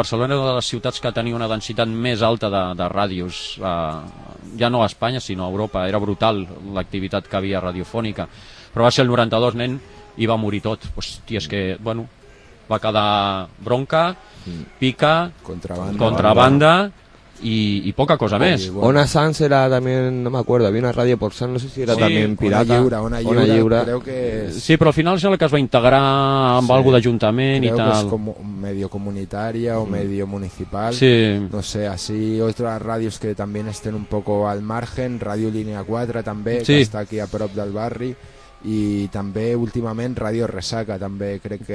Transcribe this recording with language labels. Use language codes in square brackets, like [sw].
[ca] Barcelona era una de les ciutats que tenia una densitat més alta de ràdios, ja no a Espanya, sinó a Europa. Era brutal l'activitat que havia radiofònica. Però va ser el 92, nen, i va morir tot. Hòstia, és que, bueno, va quedar Bronca, Pica, Contrabanda. [es] Y poca cosa más. Bueno. Ona Sans era también, no me acuerdo, había una radio por Sans, no sé si era sí, también pirata. Ona Lliura, creo que... Sí, pero al final es la que se va a integrar en sí, algo de ayuntamiento y tal. Creo que es como medio comunitaria o medio municipal. Sí. No sé, así otras radios que también estén un poco al margen, Radio Línea 4 también, sí. [ca] Que está aquí a prop del barri. I també últimament Radio Resaca també crec que...